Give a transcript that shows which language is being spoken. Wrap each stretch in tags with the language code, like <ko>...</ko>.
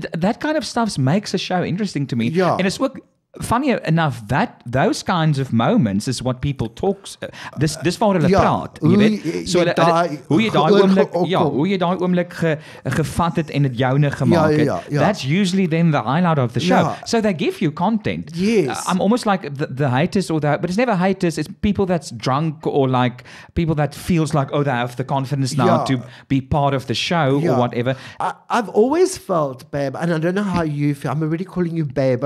<en>That kind of stuff makes a show interesting to me. Yeah. And it's what, funny enough, that those kinds of moments is what people talk.</en> <af>This wat hulle praat, jy weet. So hoe jy daai oomblik, ja, hoe jy daai oomblik gevat het en dit joune gemaak het.</af> <en>That's usually then the highlight of the show. Yeah. So they give you content. Yes. I'm almost like the haters or that, but it's never haters. It's people that's drunk or like people that feels like, oh, they have the confidence now to be part of the show or whatever. I've always felt, babe, and I don't know how you feel. I'm already calling you babe.</en>